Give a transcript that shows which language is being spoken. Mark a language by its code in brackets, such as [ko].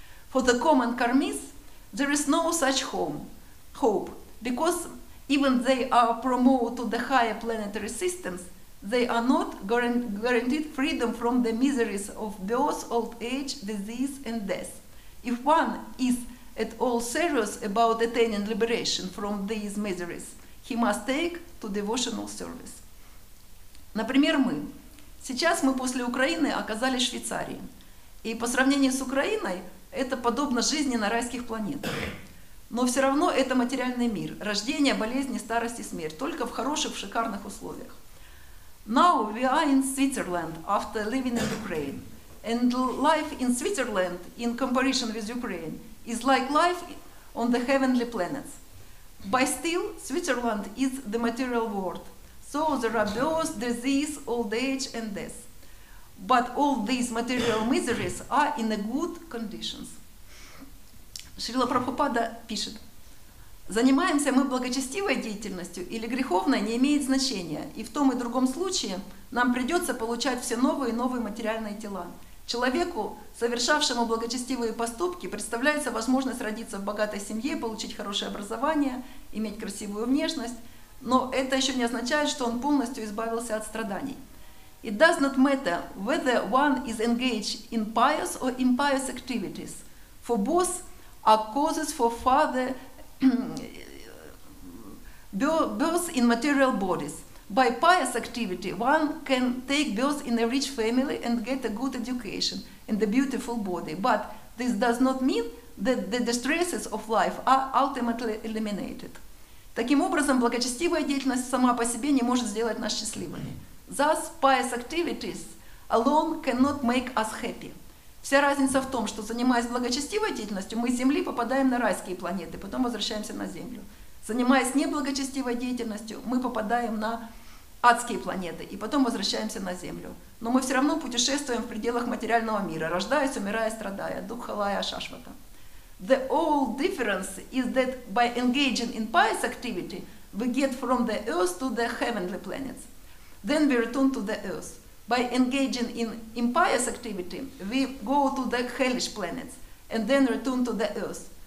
[en] For the common karmis, there is no such hope, because even they are promoted to the higher planetary systems, they are not guaranteed freedom from the miseries of birth, old age, disease, and death. If one is at all serious about attaining liberation from these miseries, he must take to devotional service. [ru] Например, мы. Сейчас мы после Украины оказались в Швейцарии. И по сравнению с Украиной, это подобно жизни на райских планетах. Но все равно это материальный мир, рождение, болезни, старость и смерть, только в хороших, шикарных условиях. [en] Now we are in Switzerland after living in Ukraine. And life in Switzerland in comparison with Ukraine is like life on the heavenly planets. But still, Switzerland is the material world. So there are birth, disease, old age and death. But all these material miseries are in a good conditions. [ru] Шрила Прабхупада пишет, занимаемся мы благочестивой деятельностью или греховной не имеет значения, и в том и другом случае нам придется получать все новые и новые материальные тела. Человеку, совершавшему благочестивые поступки, представляется возможность родиться в богатой семье, получить хорошее образование, иметь красивую внешность, но это еще не означает, что он полностью избавился от страданий. [en] It does not matter whether one is engaged in pious or impious activities, for both are causes for further birth in material bodies. By pious activity, one can take birth in a rich family and get a good education and a beautiful body. But this does not mean that the distresses of life are ultimately eliminated. [ru] Таким образом, благочестивая деятельность сама по себе не может сделать нас счастливыми. [en] Thus, pious activities alone cannot make us happy. [ru] Вся разница в том, что занимаясь благочестивой деятельностью, мы с Земли попадаем на райские планеты, потом возвращаемся на Землю. Занимаясь неблагочестивой деятельностью, мы попадаем на адские планеты и потом возвращаемся на Землю. Но мы все равно путешествуем в пределах материального мира, рождаясь, умирая, страдая, дух халая, шашвата. [en] The all difference is that by engaging in pious activity, we get from the earth to the heavenly planets. Then we return to the earth. By engaging in impious activity, we go to the hellish planets and then return to the earth.